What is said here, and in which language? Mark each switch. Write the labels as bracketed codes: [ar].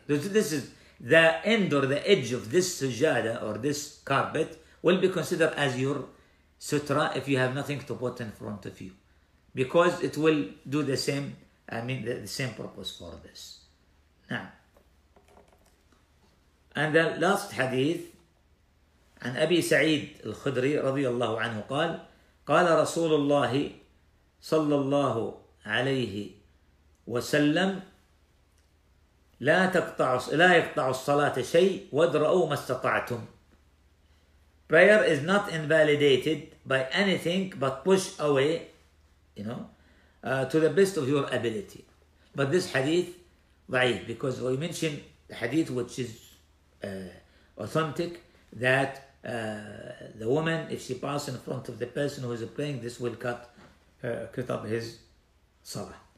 [en] This is the end or the edge of this sujada or this carpet will be considered as your sutra if you have nothing to put in front of you. Because it will do the same, I mean, the same purpose for this. And the last hadith [ar] عن أبي سعيد الخدري رضي الله عنه قال قال رسول الله صلى الله عليه وسلم لا يقطع الصلاة شيء وادرأوا ما استطعتم. [en] Prayer is not invalidated by anything but push away, you know, to the best of your ability. But this hadith ضعيف, because we mention the hadith which is authentic, that the woman, if she passes in front of the person who is praying, this will cut up his salah.